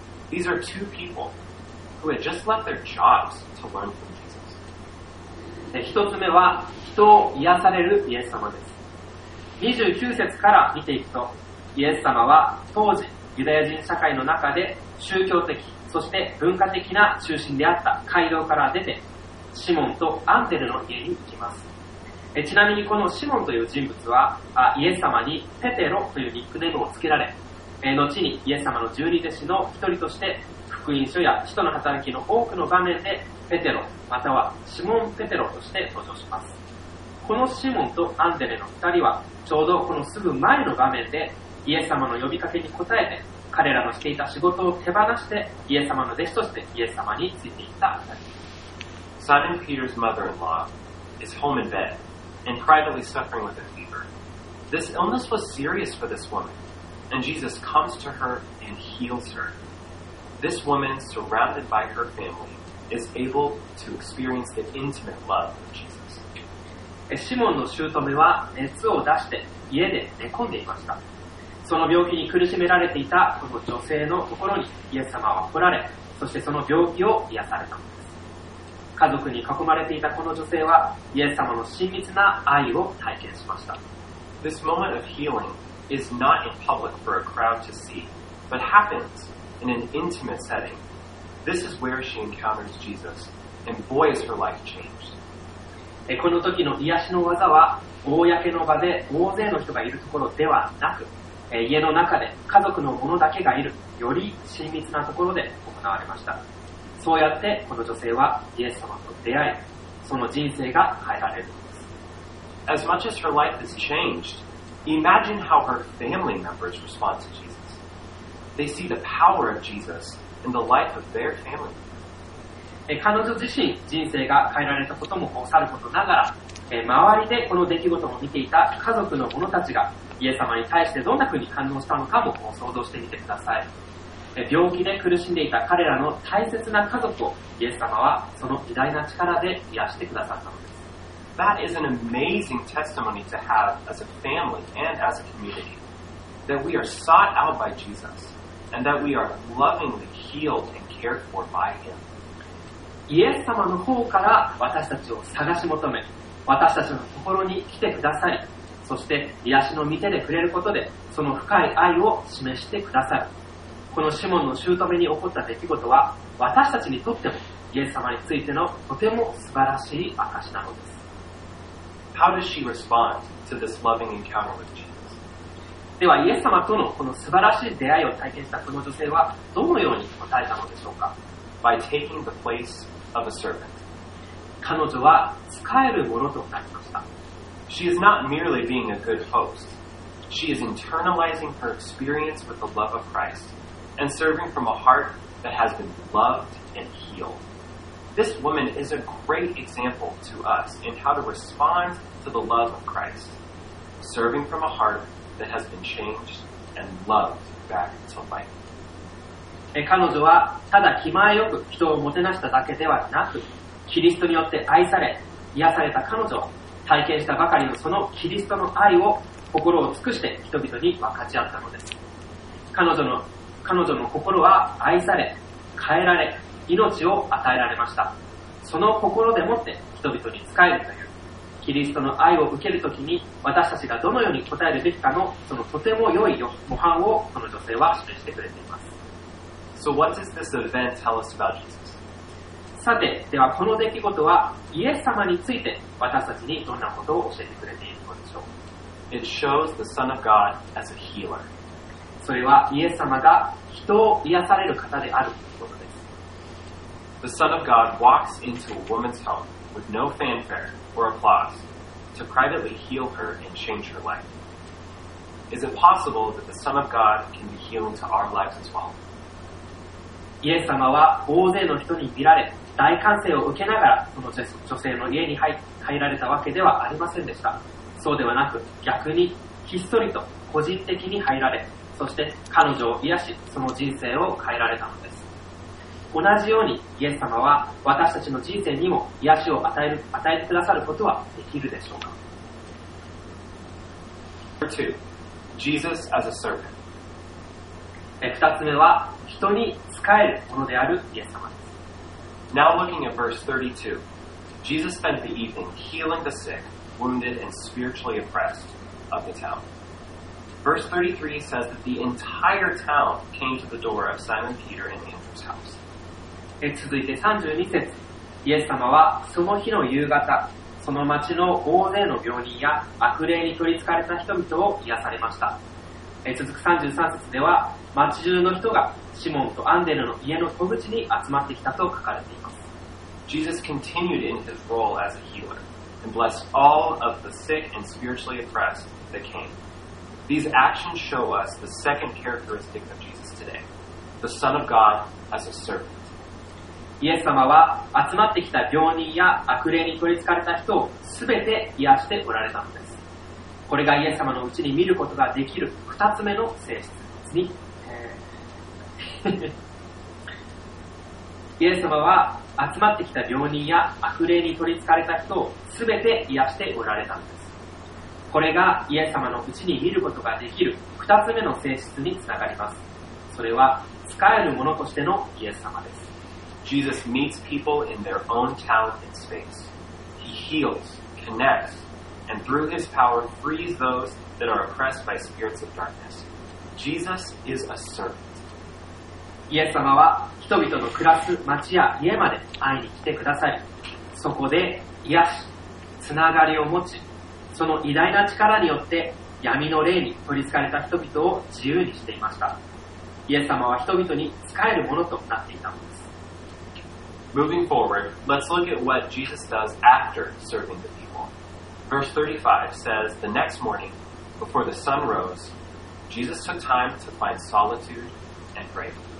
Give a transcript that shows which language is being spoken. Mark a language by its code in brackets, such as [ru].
[en] These are two people who had just left their jobs to learn from Jesus. [ja] 一つ目は人を癒されるイエス様です。29節から見ていくと、イエス様は当時ユダヤ人社会の中で宗教的そして文化的な中心であった街道から出てシモンとアンデレの家に行きます。ちなみにこのシモンという人物はイエス様にペテロというニックネームを付けられ、後にイエス様の十二弟子の一人として福音書や使徒の働きの多くの場面でペテロまたはシモンペテロとして登場します。このシモンとアンデレの二人はちょうどこのすぐ前の場面でイエス様の呼びかけに応えて彼らのしていた仕事を手放してイエス様の弟子としてイエス様についていった。 [en] Simon Peter's mother-in-law is home in bed and privately suffering with a fever. This illness was serious for this woman, and Jesus comes to her and heals her. This woman, surrounded by her family, is able to experience the intimate love of Jesus. [ja] シモンの姑は熱を出して家で寝込んでいました。その病気に苦しめられていたこの女性のところにイエス様は来られ、そしてその病気を癒されたのです。家族に囲まれていたこの女性はイエス様の親密な愛を体験しました。 [en] This moment of healing is not in public for a crowd to see, but happens in an intimate setting. This is where she encounters Jesus, and boy is her life changed. [ja] この時の癒しの技は、公の場で大勢の人がいるところではなく、家の中で家族の者だけがいるより親密なところで行われました。そうやってこの女性はイエス様と出会い、その人生が変えられるのです。 [en] As much as her life has changed, imagine how her family members respond to Jesus. They see the power of Jesus in the life of their family. [ja] 彼女自身人生が変えられたこともさることながら、周りでこの出来事を見ていた家族の者たちがイエス様に対してどんな風に反応したのかも想像してみてください。病気で苦しんでいた彼らの大切な家族をイエス様はその偉大な力で癒してくださったのです。 [en] That is an amazing testimony to have as a family and as a community, that we are sought out by Jesus and that we are lovingly healed and cared for by Him. [ja] イエス様の方から私たちを探し求め、私たちのところに来てください、そして癒しの御手で触れることでその深い愛を示してくださる。このシモンの姑に起こった出来事は私たちにとってもイエス様についてのとても素晴らしい証なのです。 [en] How does she respond to this loving encounter with Jesus? [ja] ではイエス様とのこの素晴らしい出会いを体験したこの女性はどのように答えたのでしょうか。 [en] By taking the place of a servant. [ja] 彼女は使えるものとなりました。 [en] She is not merely being a good host. She is internalizing her experience with the love of Christ and serving from a heart that has been loved and healed. This woman is a great example to us in how to respond to the love of Christ, serving from a heart that has been changed and loved back to life. [ja] 彼女はただ気前よく人をもてなしただけではなく、キリストによって愛され、癒された彼女は体験したばかりのそのキリストの愛を心を尽くして人々に分かち合ったのです。彼女の心は愛され、変えられ、命を与えられました。その心でもって人々に仕えるという、キリストの愛を受けるときに私たちがどのように答えるべきかの、そのとても良い模範をこの女性は示してくれています。 [en] So what does this event tell us about Jesus? [ja] さて、ではこの出来事はイエス様について私たちにどんなことを教えてくれているのでしょう。 [en] It shows the Son of God as a healer. [ja] それはイエス様が人を癒される方であるということです。 [en] The Son of God walks into a woman's home with no fanfare or applause to privately heal her and change her life. Is it possible that the Son of God can be healing to our lives as well? [ja] イエス様は大勢の人に見られ、大歓声を受けながらその女性の家に入られたわけではありませんでした。そうではなく、逆にひっそりと個人的に入られ、そして彼女を癒し、その人生を変えられたのです。同じようにイエス様は私たちの人生にも癒しを与えてくださることはできるでしょうか。 [en] Number two, Jesus as a servant. [ja] 二つ目は人に仕えるものであるイエス様です。 [en] Now looking at verse 32, Jesus spent the evening healing the sick, wounded, and spiritually oppressed of the town. Verse 33 says that the entire town came to the door of Simon Peter and Andrew's house. [ja] 続いて32節、イエス様はその日の夕方、その町の大勢の病人や悪霊に取り憑かれた人々を癒されました。続く33節では、町中の人がシモンとアンデルの家の戸口に集まってきたと書かれています。 [en] Jesus continued in his role as a healer and blessed all of the sick and spiritually oppressed that came. These actions show us the second characteristic of Jesus today, the Son of God as a servant. [ja] イエス様は集まってきた病人や悪霊に取り憑かれた人をすべて癒しておられたのです。これがイエス様のうちに見ることができる二つ目の性質ですね。イエス様は集まってきた病人や悪霊に取り憑かれた人をすべて癒しておられたのです。これがイエス様のうちに見ることができる二つ目の性質につながります。それは使えるものとしてのイエス様です。 [en] Jesus meets people in their own town and space. He heals, connects, and through his power frees those that are oppressed by spirits of darkness. Jesus is a servant. [ja] イエス様は人々の暮らす町や家まで会いに来てくださり、そこで癒し、つながりを持ち、その偉大な力によって闇の霊に取り憑かれた人々を自由にしていました。イエス様は人々に仕えるものとなっていたのです。 [en] Moving forward, let's look at what Jesus does after serving the people. Verse 35 says, The next morning, before the sun rose, Jesus took time to find solitude and pray.